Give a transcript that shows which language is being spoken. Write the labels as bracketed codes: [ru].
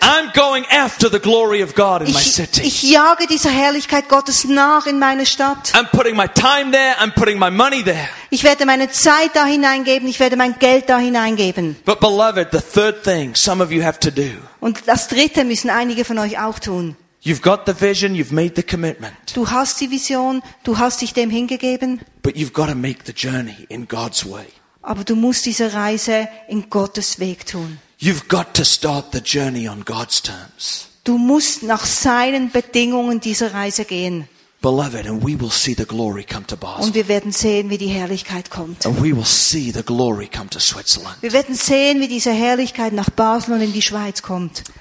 [en] I'm going after the glory of God in my city. [de] Ich jage dieser Herrlichkeit Gottes nach in meine Stadt. [en] I'm putting my time there, I'm putting my money there. [de] Ich werde meine Zeit da hineingeben, ich werde mein Geld da hineingeben. [en] But beloved, the third thing some of you have to do. [de] Und das dritte müssen einige von euch auch tun. [en] You've got the vision, you've made the commitment. [de] Du hast die Vision, du hast dich dem hingegeben. [en] But you've got to make the journey in God's way. [de] Aber du musst diese Reise in Gottes Weg tun. [en] You've got to start the journey on God's terms. [de] Du musst nach seinen Bedingungen diese Reise gehen. [en] Beloved, and we will see the glory come to Basel. [de] Und wir werden sehen, wie die Herrlichkeit kommt. [en] And we will see the glory come to Switzerland. [de] Wir werden sehen, wie diese Herrlichkeit nach Basel und in die Schweiz kommt.